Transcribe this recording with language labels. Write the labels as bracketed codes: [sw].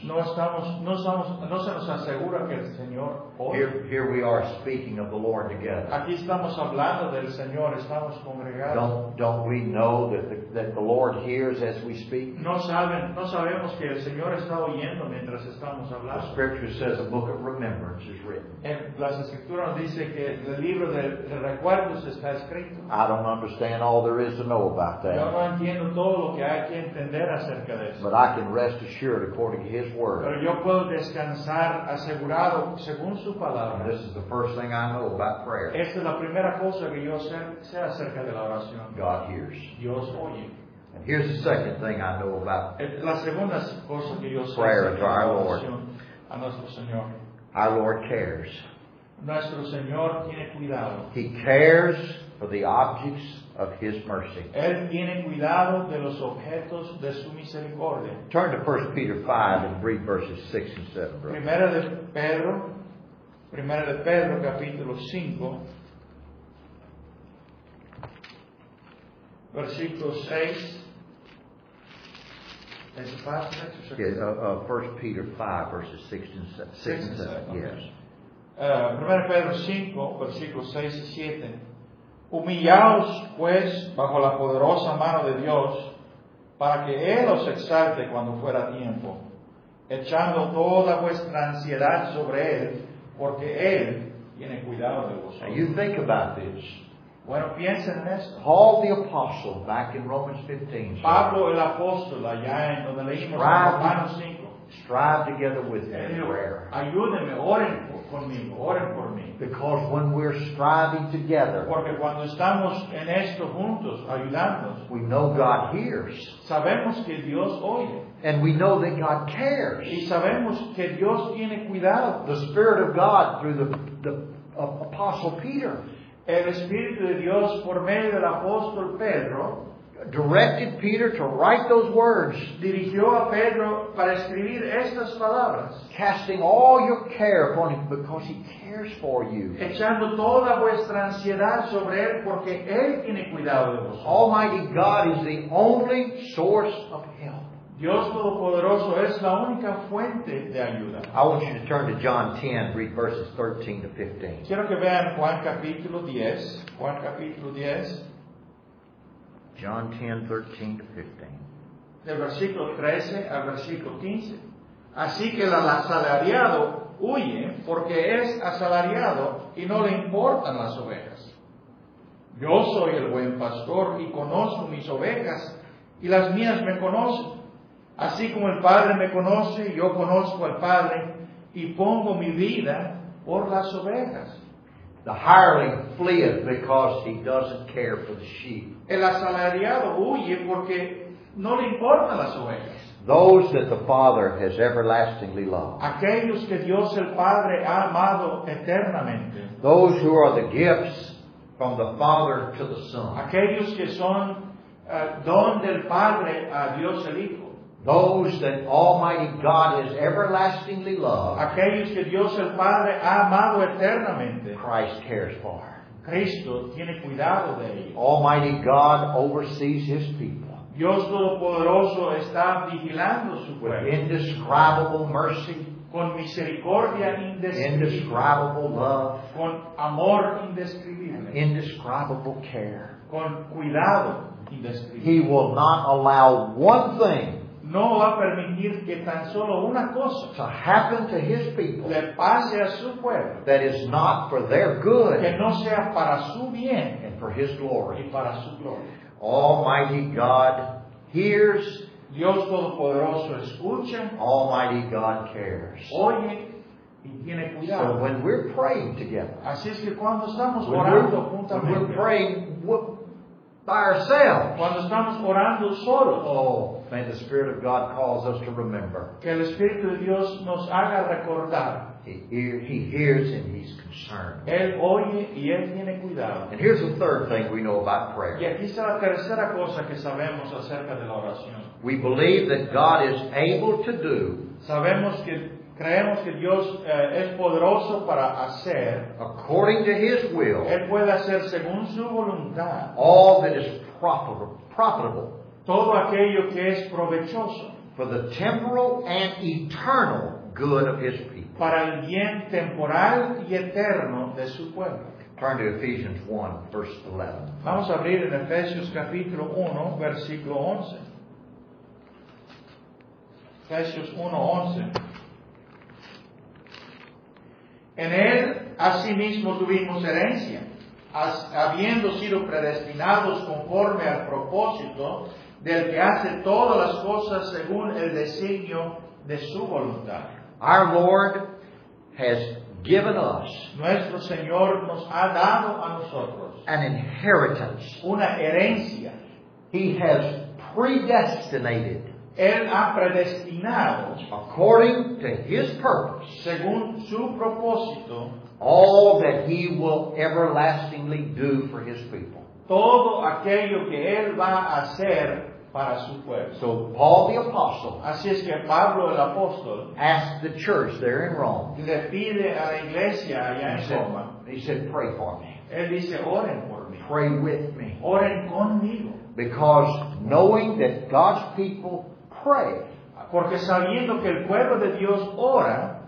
[es] No se nos asegura que el Señor oye. [en] Here we are speaking of the Lord together. [es] Aquí estamos hablando del Señor, estamos congregados. [en] Don't we know that the Lord hears as we speak? [es] No sabemos que el Señor está oyendo mientras estamos hablando. [en] The Scripture says a book of remembrance is written. [es] Las Escrituras nos dice que el libro de recuerdos está escrito. [en] I don't understand all there is to know about that. [es] Yo no entiendo todo lo que hay que entender acerca de eso. [en] But I can rest assured according to His word. [es] Pero yo puedo descansar asegurado según su palabra. [en] And this is the first thing I know about prayer. [es] Esta es la primera cosa que yo sé acerca de la oración. [en] God hears. [es] Dios oye. [en] And here's the second thing I know about [es] la segunda cosa que yo sé [en] prayer to our Lord. [es] A nuestro Señor. [en] Our Lord cares. [es] Nuestro Señor tiene cuidado. [en] He cares for the objects of His mercy. [es] Él tiene cuidado de los objetos de su misericordia. [en] Turn to 1 Peter 5 and read verses 6 and 7. Brother. [es] Primera de Pedro, capítulo 5, versículo 6. [en] Is it 5 or 6? Yeah, 1 Peter 5, verses 6 and 7. Okay. Yes. [es] Primera de Pedro 5, versículos 6 y 7. Humillaos, pues, bajo la poderosa mano de Dios, para que Él os exalte cuando fuera tiempo, echando toda vuestra ansiedad sobre Él, porque Él tiene cuidado de vosotros. [en] Now you think about this. [es] Bueno, piensen en esto. [en] Paul the Apostle, back in Romans 15, [es] Pablo el Apóstol, allá en donde leímos Romanos 5, [en] strive together with Him in prayer. [es] Ayúdenme, oren conmigo, oren por mí. [en] Because when we're striving together, [es] porque cuando estamos en esto juntos, ayudándonos, [en] we know God hears. [es] Sabemos que Dios oye. [en] And we know that God cares. [es] Y sabemos que Dios tiene cuidado. [en] The Spirit of God through the Apostle Peter. [es] El Espíritu de Dios por medio del Apóstol Pedro [en] directed Peter to write those words. [es] Dirigió a Pedro para escribir estas palabras. [en] Casting all your care upon Him because He cares for you. [es] Echando toda vuestra ansiedad sobre Él porque Él tiene cuidado de vosotros. [en] Almighty God is the only source of help. [es] Dios Todopoderoso es la única fuente de ayuda. [en] I want you to turn to John 10, read verses 13 to 15. [es] Quiero que vean Juan capítulo 10. Juan capítulo 10. [en] John 10, 13 to 15. [es] Del versículo 13 al versículo 15. Así que el asalariado huye porque es asalariado y no le importan las ovejas. Yo soy el buen pastor y conozco mis ovejas y las mías me conocen. Así como el Padre me conoce, yo conozco al Padre y pongo mi vida por las ovejas. [en] The hireling fleeth because he doesn't care for the sheep. [es] El asalariado huye porque no le importan las ovejas. [en] Those that the Father has everlastingly loved. [es] Aquellos que Dios el Padre ha amado eternamente. [en] Those who are the gifts from the Father to the Son. [es] Aquellos que son don del Padre a Dios el Hijo. [en] Those that Almighty God has everlastingly loved. [es] Aquellos que Dios el Padre ha amado eternamente. [en] Christ cares for. [es] Cristo tiene cuidado de ellos. [en] Almighty God oversees His people. [es] Dios Todopoderoso está vigilando su pueblo. [en] With indescribable mercy. [es] Con misericordia indescribible. [en] Indescribable love. [es] Con amor indescribible. [en] And indescribable care. [es] Con cuidado indescribible. [en] He will not allow one thing. [es] No va a permitir que tan solo una cosa [en] to happen to His people [es] le pase a su pueblo [en] that is not for their good, [es] que no sea para su bien, [en] and for His glory. [es] Y para su gloria. [en] Almighty God hears. [es] Dios Todopoderoso escucha. [en] Almighty God cares. [es] Oye y tiene cuidado. [en] So when we're praying together, [es] así es que cuando estamos orando juntamente, [en] when we're praying, by ourselves. [es] Cuando estamos orando solos. [en] Oh, may the Spirit of God cause us to remember. [es] Que el Espíritu de Dios nos haga recordar. [en] He hears and he's concerned. [es] Él oye y él tiene cuidado. [en] And here's the third thing we know about prayer. [es] Y aquí está la tercera cosa que sabemos acerca de la oración. [en] We believe that God is able to do. [es] Sabemos que creemos que Dios es poderoso para hacer. [en] According to his will. [es] Él puede hacer según su voluntad. [en] All that is profitable. [es] Todo aquello que es provechoso. [en] For the temporal and eternal good of his people. [es] Para el bien temporal y eterno de su pueblo. [en] Turn to Ephesians 1, verse 11. [es] Vamos a abrir en Efesios capítulo 1, versículo 11. Efesios 1, 11. En él, asimismo, tuvimos herencia, habiendo sido predestinados conforme al propósito del que hace todas las cosas según el designio de su voluntad. [en] Our Lord has given us, [es] nuestro Señor nos ha dado a nosotros, [en] an inheritance, [es] una herencia. [en] He has predestinated, [es] él ha predestinado, [en] according to his purpose, [es] según su propósito, [en] all that he will everlastingly do for his people, [es] todo aquello que él va a hacer para su pueblo. [en] So Paul the Apostle, [es] así es que Pablo el Apóstol, [en] asked the church there in Rome, [es] le pide a la iglesia allá en Roma, [en] he said, pray for me. [es] Él dice, oren por mí. [en] Pray with me. [es] Oren conmigo. [en] Because knowing that God's people pray, [es] porque sabiendo que el pueblo de Dios ora,